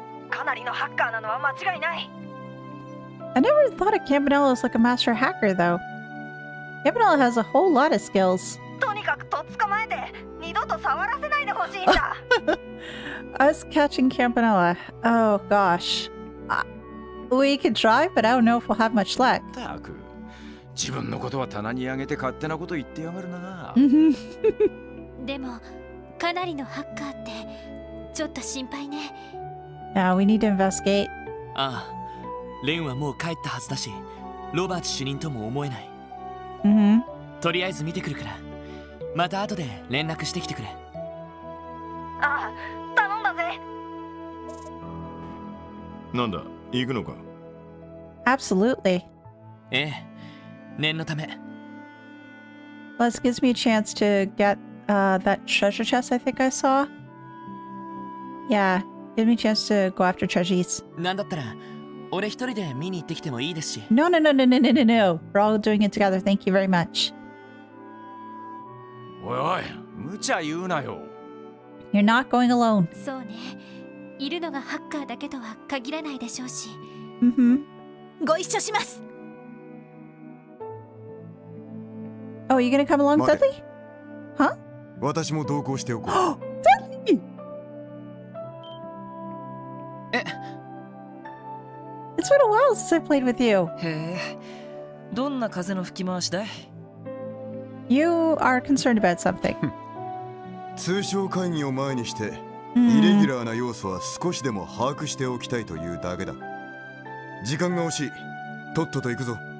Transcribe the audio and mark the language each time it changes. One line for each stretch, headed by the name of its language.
Japanese: かなりのハッカーなのは間違いない。
English: I never thought of Campanella as like a master hacker, though. Campanella has a whole lot of skills.
Japanese: とにかくとっ捕まえて二度と触らせないでほしいんだ。
English: Us catching Campanella. Oh gosh. We could try, but I don't know if we'll have much luck. Taku.
Japanese: 自分のことは棚に上げて勝手なこと言ってやがるな。でも、かなりのハッカーって、ちょっと心配ね。
English: Yeah, we need to investigate.
Japanese: ああ、レンはもう帰ったはずだし、ロバーツ主任とも思えない。 Mm-hmm. とりあえず見てくるから、また後で連絡してきてくれ。ああ、頼んだぜ。なんだ、行くのか？
English: Absolutely.
Japanese: ええ、念のため。
English: Well, this gives me a chance to get that treasure chest I think I saw. Yeah, give me a chance to go after treasures.
Japanese: なんだったら、俺一人で見に行ってきてもいいですし。
English: No, no, no, no, no, no, no, no. We're all doing it together. Thank you very much.
Japanese: おいおい、無茶言うなよ。
English: You're not going alone.
Japanese: そうね。いるのがハッカーだけとは限らないでしょうし。 Mm-hmm. ご一緒します。
English: Oh, you gonna come along, Dudley? Huh?
Japanese: 私も同行しておこう。
English: Dudley! It's been a while since I played with you.
Japanese: どんな風の吹き回しだい?
English: You are concerned about something.
Japanese: 通商会議を前にして、イレギュラーな要素は少しでも把握しておきたいというだけだ。時間が惜しい。とっとと行くぞ。